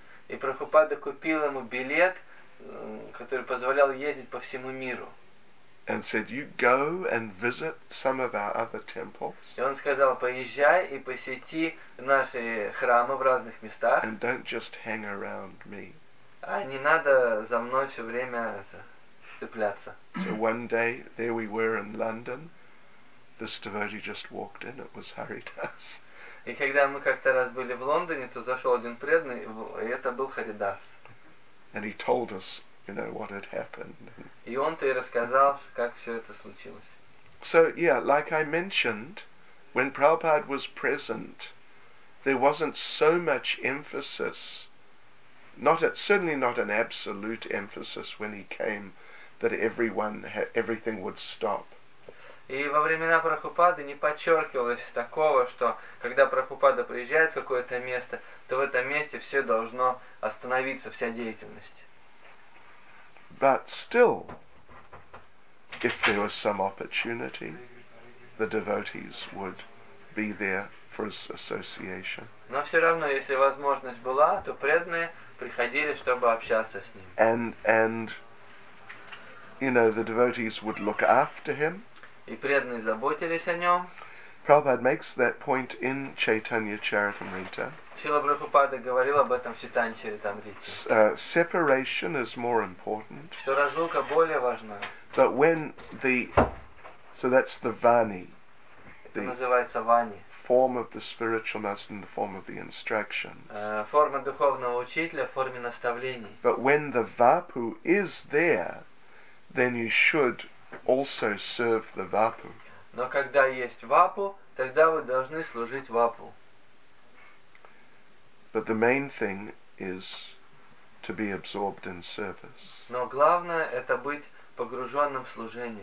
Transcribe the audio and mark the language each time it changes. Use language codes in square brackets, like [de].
[ru] И Прабхупада купил ему билет, который позволял ездить по всему миру. [en] And said, you go and visit some of our other temples. [ru] И он сказал, поезжай и посети наши храмы в разных местах. [en] And don't just hang around me. [ru] А не надо за мной все время цепляться. [en] So one day there we were in London. This devotee just walked in. It was Haridas. [ru] И когда мы как-то раз были в Лондоне, то зашел один преданный, и это был Харидас. [en] And he told us, you know, what had happened. [ru] И он-то и рассказал, как все это случилось. [en] So yeah, like I mentioned, when Prabhupada was present, there wasn't so much emphasis. Certainly not an absolute emphasis when he came, that everything would stop. [ru] И во времена Прабхупады не подчеркивалось такого, что когда Прабхупада приезжает в какое-то место, то в этом месте все должно остановиться, вся деятельность. [en] But still, if there was some opportunity, the devotees would be there for association. [ru] Но все равно, если возможность была, то преданные приходили, чтобы общаться с ним. [en] And you know, the devotees would look after him. [ru] И преданные заботились о нем. [en] Prabhupada makes that point in Chaitanya Charitamrita. [ru] Шрила Прабхупада говорил об этом в Чайтанья Чаритамрите. [en] Separation is more important. [ru] Что разлука более важна. [en] But when the, so that's the vani. [ru] Это называется вани. [en] Form of the spiritual master in the form of the instruction. [ru] Форма духовного учителя в форме наставлений. [en] But when the vapu is there, then you should also serve the vapu. [ru] Но когда есть вапу, тогда вы должны служить вапу. [en] But the main thing is to be absorbed in service. [ru] Но главное это быть погруженным в служение.